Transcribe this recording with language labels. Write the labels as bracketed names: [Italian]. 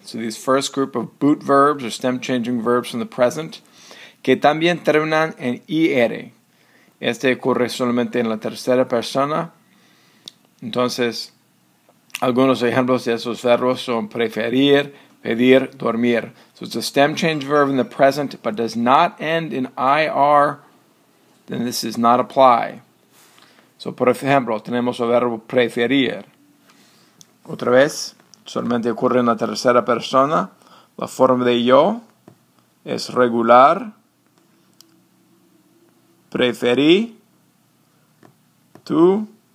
[English] So this first group of boot verbs or stem changing verbs in the present, [Spanish] que también terminan en IR. Este ocurre solamente en la tercera persona. Entonces, algunos ejemplos de esos verbos son preferir, pedir, dormir. [English] So it's a stem change verb in the present, but does not end in IR, then this does not apply. [Spanish] So, por ejemplo, tenemos el verbo preferir. Otra vez, solamente ocurre en la tercera persona. La forma de yo es regular. Preferí. Tú.